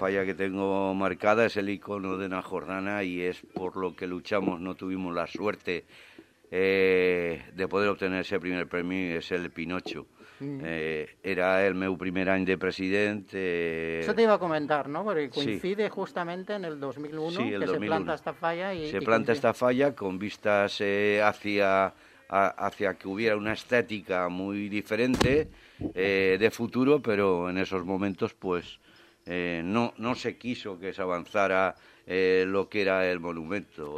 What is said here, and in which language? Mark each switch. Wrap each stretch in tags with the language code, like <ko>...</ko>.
<es>Falla que tengo marcada es el icono de Natxordana, y es por lo que luchamos. No tuvimos la suerte de poder obtener ese primer</es> <ca>premi és</ca> <es>el Pinocho.</es> <ca>Era el meu primer any de president. Això t'hi va comentar, no?</ca> <es>Perquè coincide justament en el 2001, sí, el que 2001. Se planta esta falla. Se planta esta falla con vistas hacia que hubiera una estética muy diferente de futuro, pero en esos momentos pues no se quiso que se avanzara lo que era el monumento.</es>